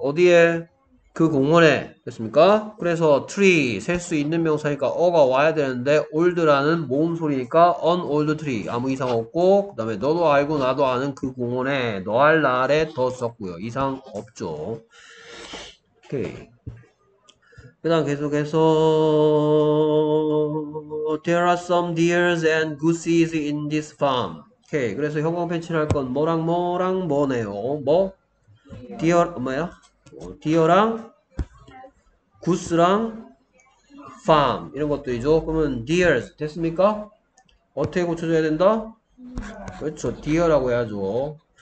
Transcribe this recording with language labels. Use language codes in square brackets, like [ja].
[ko] 어디에? 그 공원에. 됐습니까? 그래서 tree, 셀수 있는 명사니까 어가 와야 되는데 old라는 모음 소리니까 [en] an old tree. [ko] 아무 이상 없고 그다음에 너도 알고 나도 아는 그 공원에 너할 날에 더 썼고요. 이상 없죠. 오케이. 그다음 계속해서 [en] there are some deers and gooses in this farm. [ko] 오케이. 그래서 형광펜칠할 건 뭐랑 뭐랑 뭐네요. 뭐? deer 뭐야? deer랑 goose랑 farm 이런 것들이죠. 그러면 deers 됐습니까? 어떻게 고쳐줘야 된다? 그렇죠. deer라고 해야죠.